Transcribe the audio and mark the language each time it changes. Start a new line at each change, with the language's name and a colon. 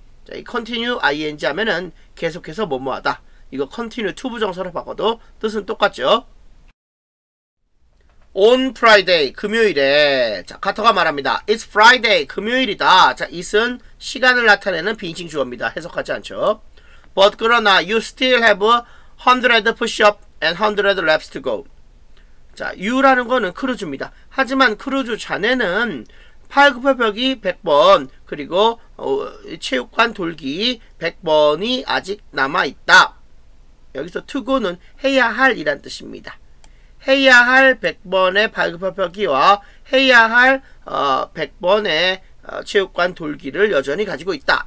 Korean: 자, 이 continue ing 하면은 계속해서 뭐뭐하다. 이거 continue to 부정사로 바꿔도 뜻은 똑같죠.
English: On Friday,
Korean: 금요일에. 자, 카터가 말합니다.
English: It's Friday,
Korean: 금요일이다. 자, it은 시간을 나타내는 비인칭 주어입니다. 해석하지 않죠.
English: But
Korean: 그러나,
English: you still have 100 push-up and 100 laps to go.
Korean: 자, you라는 거는 크루즈입니다. 하지만 크루즈 자네는 팔굽혀펴기 100번, 그리고 체육관 돌기 100번이 아직 남아있다. 여기서 to go는 해야 할 이란 뜻입니다. 해야 할 100번의 발급협회기와 해야 할 100번의 체육관 돌기를 여전히 가지고 있다.